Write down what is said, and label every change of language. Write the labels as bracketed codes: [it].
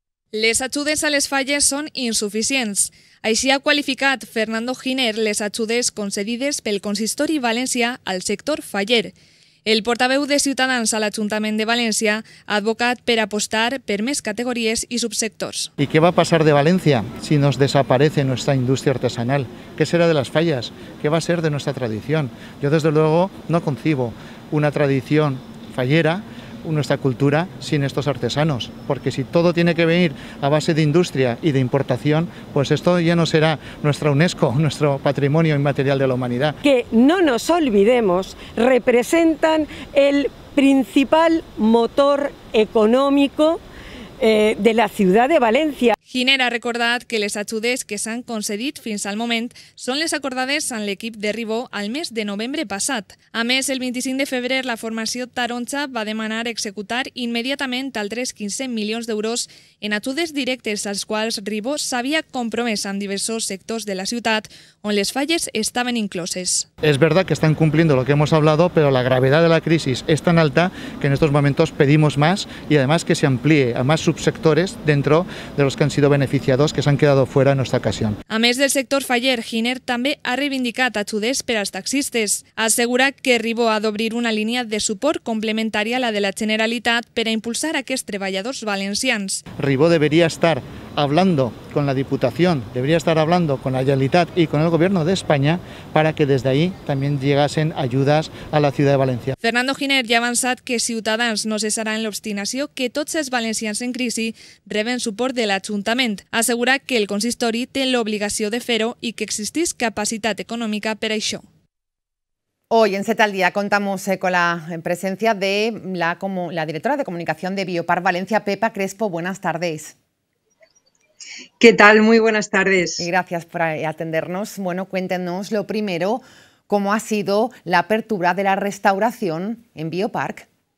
[ca] Les ajudes a les falles són insuficients. Així ha qualificat Fernando Giner les ajudes concedides pel Consistori València al sector faller. El portaveu de Ciutadans a l'Ajuntament de València ha advocat per apostar per més categories i subsectors. [es] ¿Y qué va a pasar de Valencia si nos desaparece nuestra industria artesanal? ¿Qué será de las fallas? ¿Qué va a ser de nuestra tradición? Yo desde luego no concibo una tradición fallera, nuestra cultura, sin estos artesanos. Porque si todo tiene que venir a base de industria y de importación, pues esto ya no será nuestra UNESCO, nuestro patrimonio inmaterial de la humanidad. Que no nos olvidemos, representan el principal motor económico de la ciudad de Valencia. [ca] Giner ha recordat que les ajudes que s'han concedit fins al moment són les acordades amb l'equip de Ribó al mes de novembre passat. A més, el 25 de febrer la formació Taronja va demanar executar immediatament altres 15 milions d'euros en ajudes directes als quals Ribó s'havia compromès amb diversos sectors de la ciutat on les falles estaven incloses. [es] Es verdad que están cumpliendo lo que hemos hablado, pero la gravedad de la crisis es tan alta que en estos momentos pedimos más y además que se amplíe a más subsectores dentro de los que han sido beneficiados, que se han quedado fuera en esta ocasión. [ca] A més del sector faller, Giner també ha reivindicat ajudes per als taxistes. Assegura que Ribó ha d'obrir una línia de suport complementària a la de la Generalitat per a impulsar aquests treballadors valencians. [es] Ribó debería estar hablando con la Diputación, debería estar hablando con la Generalitat y con el Gobierno de España para que desde ahí también llegasen ayudas a la ciudad de Valencia. [ca] Fernando Giner ja ha avançat que Ciutadans no cessarà en l'obstinació que tots els valencians en crisi reben suport de l'Ajuntament. Assegura que el consistori té l'obligació de fer-ho i que existís capacitat econòmica per això. [es] Hoy en Set al Día contamos con la presencia de la directora de comunicación de Biopar Valencia, Pepa Crespo. Buenas tardes. ¿Qué tal? Muy buenas tardes. Y gracias por atendernos. Bueno, cuéntenos lo primero, ¿cómo ha sido la apertura de la restauración en Biopark?